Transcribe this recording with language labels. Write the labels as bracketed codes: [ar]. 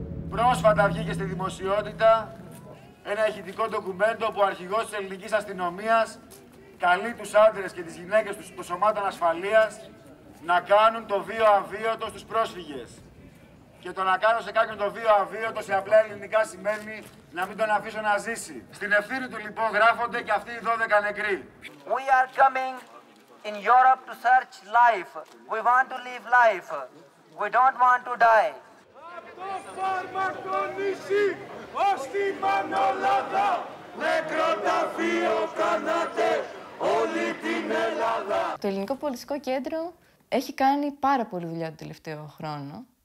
[el] Πρόσφατα βγήκε στη δημοσιότητα ένα ηχητικό ντοκουμέντο που ο αρχηγός της ελληνικής αστυνομίας καλεί τους άντρες και τις γυναίκες τους, των σωμάτων ασφαλείας, να κάνουν το βίο αβίωτο στους πρόσφυγες. Και το να κάνω σε κάποιον το βίο αβίωτο σε απλά ελληνικά σημαίνει να μην τον αφήσω να ζήσει. Στην ευθύνη του λοιπόν γράφονται και αυτοί οι 12 νεκροί. [en] We are coming in Europe to search life. We want to live life. We don't want to die. [el] Από το Φαρμακονήσι, ως τη Μανολάδα, Νεκροταφείο κάνατε όλη την Ελλάδα. Το Ελληνικό Πολιτιστικό Κέντρο έχει κάνει πάρα πολύ δουλειά τον τελευταίο χρόνο.